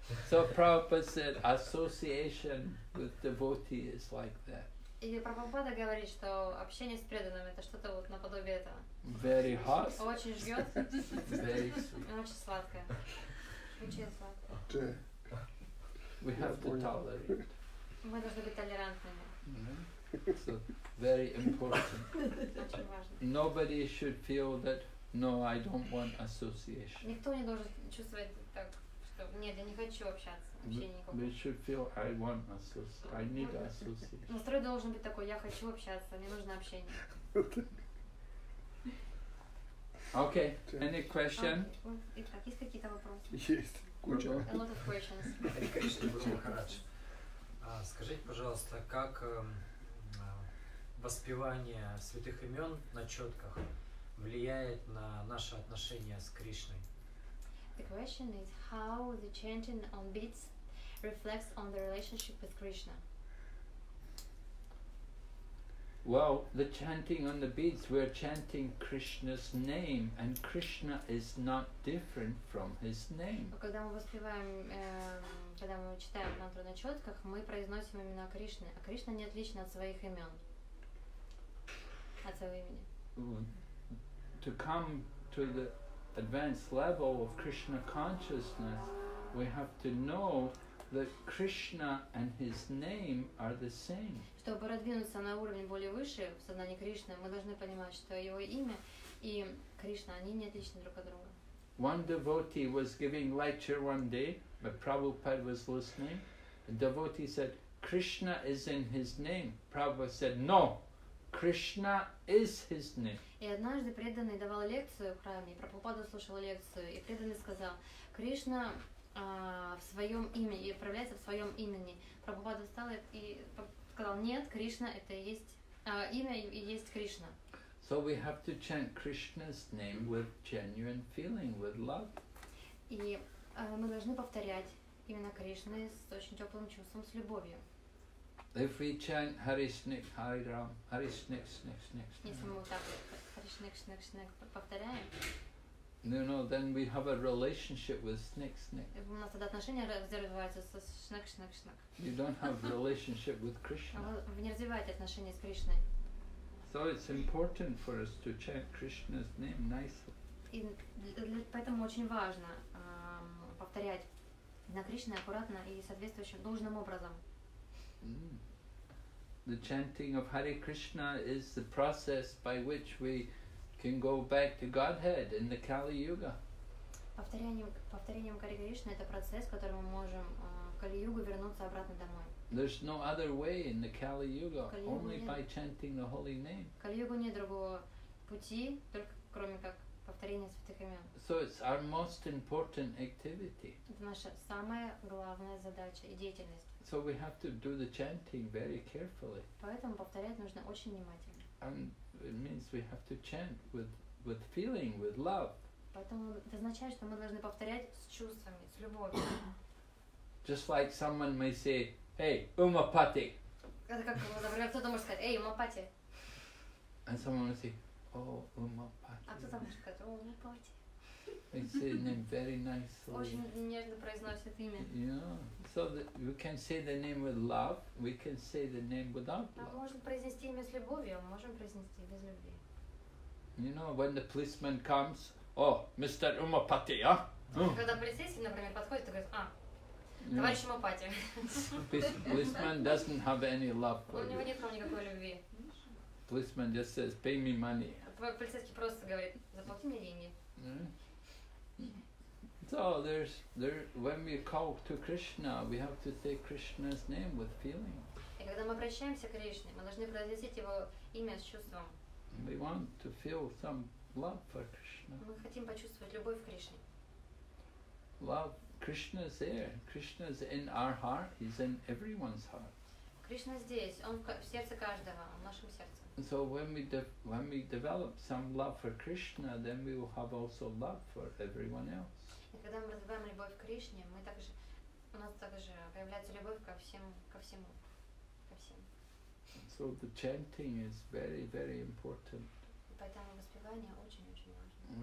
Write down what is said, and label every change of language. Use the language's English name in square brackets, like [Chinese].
[English] So Prabhupada said, association with devotee is like that. [Russian] И Прабхупада говорит, что общение с преданными это что-то вот наподобие этого. [English] Very hot. [Russian] Очень жжет. [English] Very sweet. [Russian] Очень сладкое. Очень сладкое. [English] We have to tolerate. [Russian] Мы должны быть толерантными. [English] So very important. [Russian] Очень важно. [English] Nobody should feel that no, I don't want association. [Russian] Никто не должен чувствовать так, что нет, я не хочу общаться. [English] We should feel I want association. I need association. [Russian] Настрой должен быть такой. Я хочу общаться. Мне нужно общение. [English] Okay. Any question? [Russian] Итак, есть какие-то вопросы? Есть. Куча. [English] A lot of questions. [Russian] Скажите, пожалуйста, как воспевание святых имен на четках влияет на наше отношение с Кришной? [English] The question is how the chanting on beats reflects on the relationship with Krishna. Well, the chanting on the beats, we're chanting Krishna's name, and Krishna is not different from his name. [Russian] Когда мы воспеваем, когда мы читаем мантру на четках, мы произносим имена Кришны, а Кришна не отлична от своих имен, от своего имени. [English] To come to the advanced level of Krishna consciousness, we have to know that Krishna and his name are the same. [Russian] Чтобы продвинуться на уровень более выше в сознании Кришны, мы должны понимать, что его имя и Кришна, они не отличны друг от друга. [English] One devotee was giving lecture one day, but Prabhupada was listening. A devotee said, Krishna is in his name. Prabhupada said, no, Krishna is his name. [Russian] И однажды преданный давал лекцию в храме, Прабхупада слушал лекцию, и преданный сказал, Кришна в своем имени, и управляется в своем имени. Прабхупада встал и сказал, нет, Кришна это и есть имя и есть Кришна. [English] So we have to chant Krishna's name with genuine feeling, with love. [Russian] И мы должны повторять именно Кришны с очень теплым чувством, с любовью. [English] If we chant Harishnik, Hariram, Harishnik, Snik, Snik, Snik. [Russian] Если мы вот так Harishnik, Snik, Snik повторяем. [English] No, no, then we have a relationship with snake, snake. [Russian] У нас тогда отношения развиваются со снег, снег, снег. [English] You don't have a relationship with Krishna. [Russian] Вы не развиваете отношения с Кришной. [English] So it's important for us to chant Krishna's name nicely. [Russian] И поэтому очень важно повторять на Кришне аккуратно и соответствующим должным образом. [English] The chanting of Hare Krishna is the process by which we can go back to Godhead in the Kali Yuga. [Russian] Повторением Хари Кришны это процесс, который мы можем в Кали Югу вернуться обратно домой. [English] There's no other way in the Kali Yuga, only by chanting the holy name. [Russian] Кали Югу нет другого пути, только кроме как повторения святых имен. [English] So it's our most important activity. [Russian] Это наша самая главная задача и деятельность. [English] So we have to do the chanting very carefully. [Russian] Поэтому повторять нужно очень внимательно. [English] And it means we have to chant with feeling, with love. [Russian] Поэтому это означает, что мы должны повторять с чувствами, с любовью. [English] Just like someone may say, "Hey, umapati." [Russian] Это как, например, кто-то может сказать, "Эй, умапати." [English] And someone will say, "Oh, umapati." [Russian] А кто-то может сказать, "О, умапати." [English] They say the name very nicely. [Russian] Очень нежно произносят имя. [English] Yeah. So we can say the name with love. We can say the name without love. [Russian] Мы можем произнести имя с любовью, мы можем произнести без любви. [English] You know, when the policeman comes, "Oh, Mr. Umapati, huh?" [Russian] Когда полицейский, например, подходит и говорит, "А." Товарищ [English] Мопати. Policeman doesn't have any love for you. [Russian] У него нет никакой любви. [English] Policeman just says, "Pay me money." [Russian] Полицейский просто говорит, "Заплати мне деньги." [English] So there's when we call to Krishna, we have to say Krishna's name with feeling. [Russian] И когда мы обращаемся к Кришне, мы должны произносить его имя с чувством. [English] We want to feel some love for Krishna. [Russian] Мы хотим почувствовать любовь к Кришне. [English] Love. Krishna is there. Krishna is in our heart. He's in everyone's heart. Krishna is there. [Russian] Он в сердце каждого, в нашем сердце. [English] So when we develop some love for Krishna, then we will have also love for everyone else. [Russian] И когда мы развиваем любовь к Кришне, мы также у нас также появляется любовь ко всем. [English] So the chanting is very, very important. [Russian] Поэтому воспевание очень важно.